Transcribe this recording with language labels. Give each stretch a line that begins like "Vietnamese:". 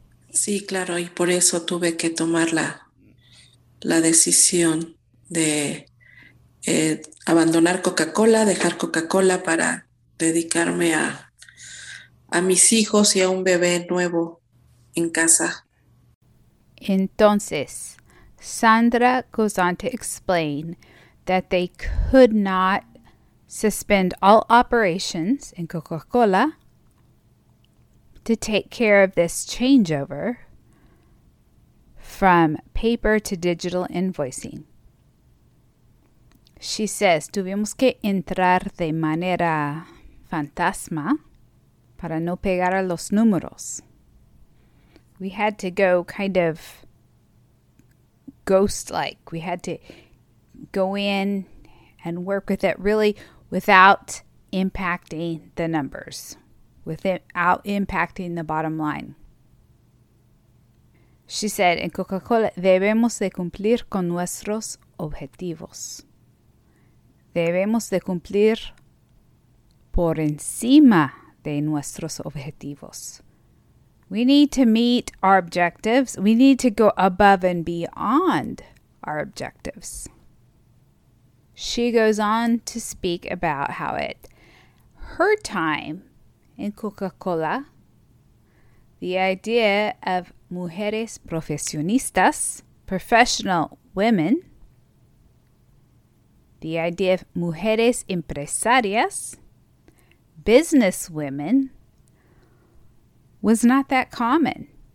Spanish: Sí, claro, y por eso tuve que tomar la decisión de abandonar Coca-Cola, dejar Coca-Cola para dedicarme a mis hijos y a un bebé nuevo en casa.
English: Entonces, Sandra goes on to explain that they could not suspend all operations in Coca-Cola to take care of this changeover from paper to digital invoicing. She says,
Spanish: tuvimos que entrar de manera fantasma para no pegar a los números.
English: We had to go kind of ghost-like. We had to go in and work with it really without impacting the numbers, without impacting the bottom line. She said,
Spanish: en Coca-Cola debemos de cumplir con nuestros objetivos. Debemos de cumplir por encima de nuestros objetivos.
English: We need to meet our objectives. We need to go above and beyond our objectives. She goes on to speak about how at her time in Coca-Cola, the idea of
Spanish: mujeres profesionistas,
English: professional women, the idea of
Spanish: mujeres empresarias,
English: business women, was not that common.